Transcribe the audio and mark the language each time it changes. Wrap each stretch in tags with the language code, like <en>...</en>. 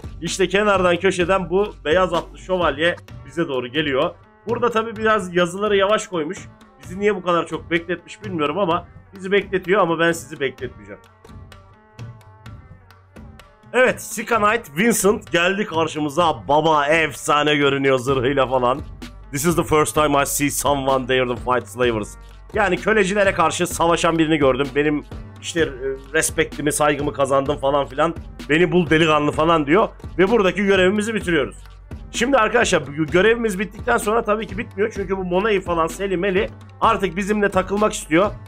<tr>İşte kenardan köşeden bu beyaz atlı şövalye bize doğru geliyor. Burada tabii biraz yazıları yavaş koymuş. Bizi niye bu kadar çok bekletmiş bilmiyorum ama bizi bekletiyor ama ben sizi bekletmeyeceğim. Evet, Sika Knight Vincent geldi karşımıza. Baba efsane görünüyor zırhıyla falan.</tr> <en>This is the first time I see someone dare to fight slavers.</en> <tr>Yani kölecilere karşı savaşan birini gördüm. Benim işte respektimi, saygımı kazandım falan filan. Beni bul delikanlı falan diyor. Ve buradaki görevimizi bitiriyoruz. Şimdi arkadaşlar görevimiz bittikten sonra tabii ki bitmiyor. Çünkü bu Mona'yı falan Selimeli artık bizimle takılmak istiyor.</tr>